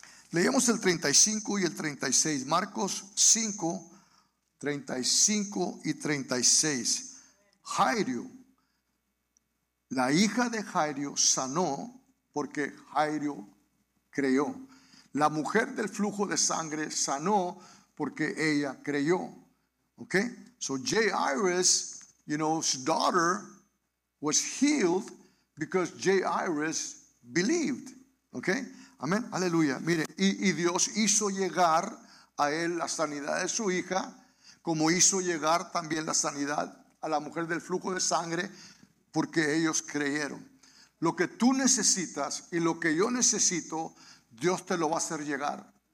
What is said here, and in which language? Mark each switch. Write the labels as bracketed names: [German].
[Spanish] Leemos el 35 y el 36. Marcos 5, 35 y 36. Jairo, la hija de Jairo sanó porque Jairo creyó. La mujer del flujo de sangre sanó porque ella creyó. [English] Okay? So Jairus, you know, his daughter was healed because Jairus believed. [Spanish] Okay? Amén. Aleluya. Mire, y Dios hizo llegar a él la sanidad de su hija, como hizo llegar también la sanidad a la mujer del flujo de sangre, porque ellos creyeron. Lo que tú necesitas y lo que yo necesito, Dios te lo va a hacer llegar.